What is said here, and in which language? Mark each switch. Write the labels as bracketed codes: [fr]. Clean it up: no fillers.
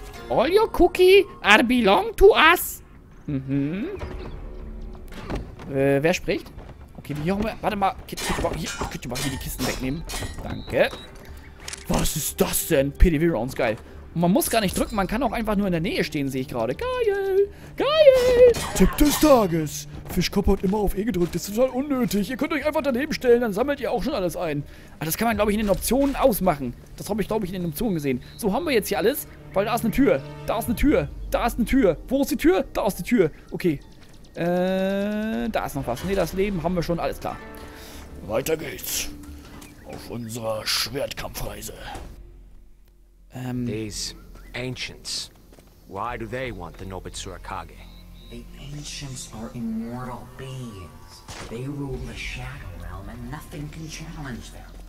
[en] All your cookies are belong to us. Mhm. [de] Wer spricht? Okay, hier haben wir. Warte mal. Könnt ihr mal hier die Kisten wegnehmen? Danke. Was ist das denn? PDW Rounds, geil. Und man muss gar nicht drücken, man kann auch einfach nur in der Nähe stehen, sehe ich gerade. Geil! Geil! Tipp des Tages! Fischkopf hat immer auf E gedrückt, das ist total unnötig. Ihr könnt euch einfach daneben stellen, dann sammelt ihr auch schon alles ein. Aber das kann man, glaube ich, in den Optionen ausmachen. Das habe ich, glaube ich, in den Optionen gesehen. So, haben wir jetzt hier alles? Weil da ist eine Tür. Da ist eine Tür. Da ist eine Tür. Wo ist die Tür? Da ist die Tür. Okay. Da ist noch was. Ne, das Leben haben wir schon, alles klar. Weiter geht's. Auf unserer Schwertkampfreise. [en] These Ancients. Why do they want the Nobitsurakage? The Ancients are immortal beings. They rule the Shadow Realm and nothing can challenge them.